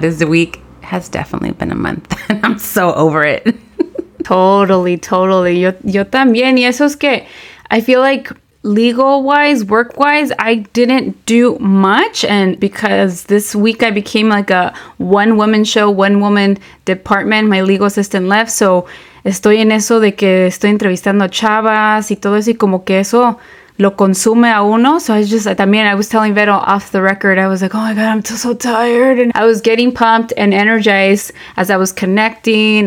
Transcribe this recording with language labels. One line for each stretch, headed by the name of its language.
English: This week has definitely been a month, and I'm so over it. Totally.
Spanish: Yo también. Y eso es que
English: I feel like legal-wise, work-wise, I didn't do much. And because this week I became like a one-woman show, one-woman department, my legal assistant left.
Spanish: So estoy en eso de que estoy entrevistando a chavas y todo eso. Y como que eso lo consume a uno.
English: So I just, también, I was telling Vero off the record, I was like, oh my God, I'm still so tired. And I was getting pumped and energized as I was connecting.